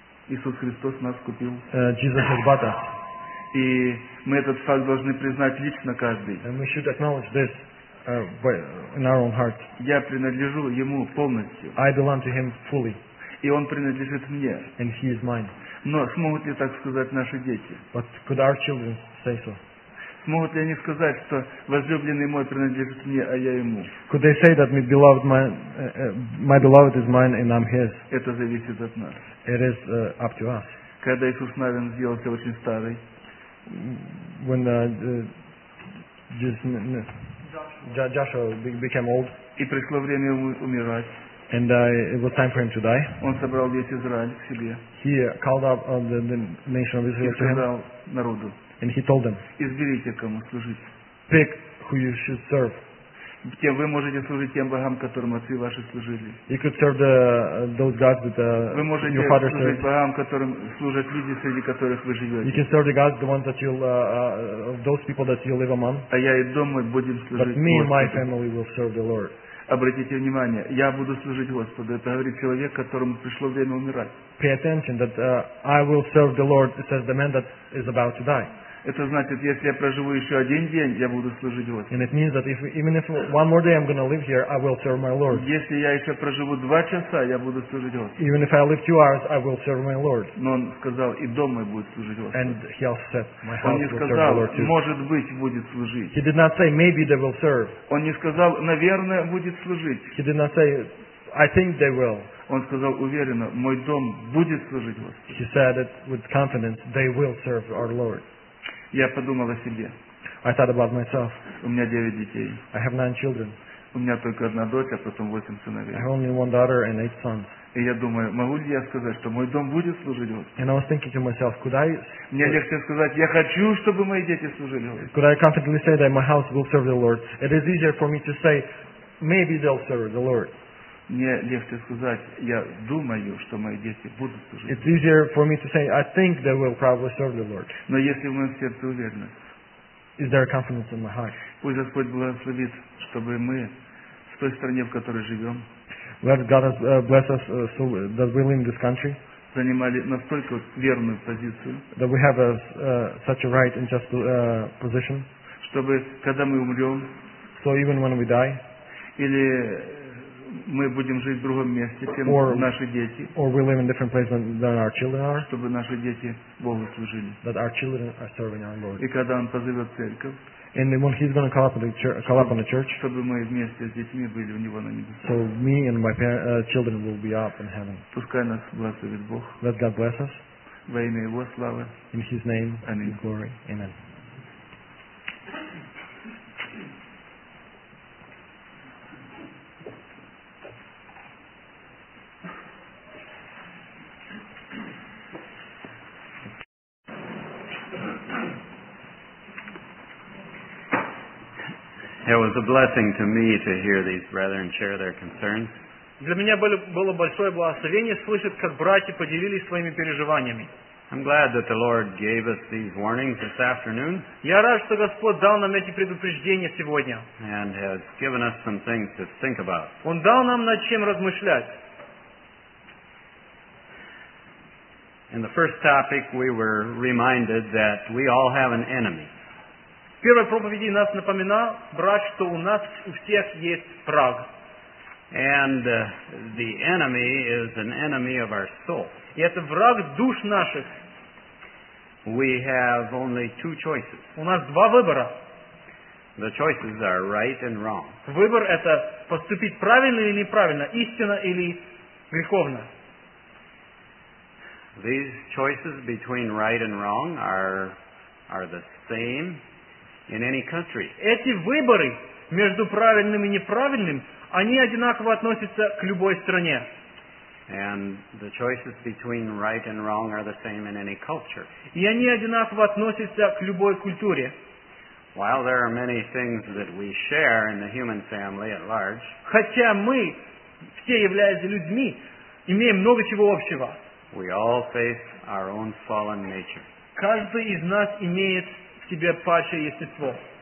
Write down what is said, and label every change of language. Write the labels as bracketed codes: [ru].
[en] Jesus has bought us. [ru] И мы этот факт должны признать лично каждый. [en] And we should acknowledge this in our own hearts. [ru] Я принадлежу ему полностью. [en] I belong to him fully. [ru] И он принадлежит мне. [en] And he is mine. [ru] Но смогут ли так сказать наши дети? [en] But could our children say so? [ru] Могут ли они сказать, что возлюбленный мой принадлежит мне, а я ему? [en] Could they say that my beloved is mine and I'm his? [ru] Это зависит от нас. [en] It is up to us. [ru] Когда Иисус Навин сделался очень старый. [en] When Joshua became old. [ru] И пришло время ему умирать. [en] And it was time for him to die. [ru] Он собрал весь Израиль к себе. [en] He called up the nation of Israel to him. [ru] Народу. [en] And he told them. [ru] Изберите, кому служить. [en] Pick who you should serve. [ru] Тем вы можете служить тем богам, которым отцы ваши служили. [en] You could serve those gods that [ru] вы можете [en] your father [ru] служить [en] served. [ru] Богам, которым служат люди, среди которых вы живете. [en] You can serve the gods, the ones that you'll those people that you live among. [ru] А я и дом мой будем служить. [en] But me and my family will serve the Lord. [ru] Обратите внимание, я буду служить Господу. Это говорит человек, которому пришло время умирать. [en] Pay attention that I will serve the Lord, says the man that is about to die. [ru] Это значит, если я проживу еще один день, я буду служить Господу. [en] And it means that even if one more day I'm going to live here, I will serve my Lord. [ru] Если я еще проживу два часа, я буду служить Господу. [en] Even if I live 2 hours, I will serve my Lord. [ru] Но он сказал, и дом мой будет служить Господу. [en] And he also said, my house [ru] он не сказал, [en] will serve the Lord too. [ru] Может быть, будет служить. [en] He did not say, maybe they will serve. [ru] Он не сказал, наверное, будет служить. [en] He did not say, I think they will. [ru] Он сказал уверенно, мой дом будет служить Господу. [en] He said it with confidence, they will serve our Lord. [ru] Я подумал о себе. [en] I thought about myself. [ru] У меня 9 детей. [en] I have 9 children. [ru] У меня только 1 дочь, а потом 8 сыновей. [en] I have only 1 daughter and 8 sons. [ru] И я думаю, могу ли я сказать, что мой дом будет служить Господу? [en] And I was thinking to myself, could I? [ru] Мне легче сказать, я хочу, чтобы мои дети служили Господу. [en] Could I confidently say that my house will serve the Lord? It is easier for me to say, maybe they'll serve the Lord. [ru] Мне легче сказать, я думаю, что мои дети будут служить. [en] It's easier for me to say, I think they will probably serve the Lord. [ru] Но если в моем сердце уверенность, [en] is there a confidence in my heart? [ru] Пусть Господь благословит, чтобы мы в той стране, в которой живем, [en] let God bless us so that we live in this country, [ru] занимали настолько верную позицию, [en] that we have such a right and just position, [ru] чтобы когда мы умрем, [en] so even when we die, [ru] или мы будем жить в другом месте, чем наши дети. [en] Or we live in different places than our children are. [ru] Чтобы наши дети Богу служили. [en] That our children are serving our Lord. [ru] И когда он позовет церковь. [en] And when he's going to call up on the church. [ru] Чтобы мы вместе с детьми были у него на небесах. [en] So me and my children will be up in heaven. [ru] Пускай нас благословит Бог. [en] Let God bless us. [ru] Во имя его славы. [en] In his name. [ru] Аминь. [en] His glory. Amen. It was a blessing to me to hear these brethren share their concerns. [ru] Для меня было большое благословение слышать, как братья поделились своими переживаниями. [en] I'm glad that the Lord gave us these warnings this afternoon. [ru] Я рад, что Господь дал нам эти предупреждения сегодня. [en] And has given us some things to think about. [ru] Он дал нам над чем размышлять. [en] In the first topic, we were reminded that we all have an enemy. [ru] В первой проповеди нас напоминал брат, что у нас у всех есть враг. [en] And the enemy is an enemy of our soul. [ru] И это враг душ наших. [en] We have only 2 choices. [ru] У нас 2 выбора. [en] The choices are right and wrong. [ru] Выбор это поступить правильно или неправильно, истинно или греховно. [en] These choices between right and wrong are the same. In any country. [ru] Эти выборы между правильным и неправильным, они одинаково относятся к любой стране. [en] And the choices between right and wrong are the same in any culture. [ru] И они одинаково относятся к любой культуре. [en] While there are many things that we share in the human family at large. [ru] Хотя мы все являемся людьми, имеем много чего общего. [en] We all face our own fallen nature. [ru] Каждый из нас имеет тебе падшее естество.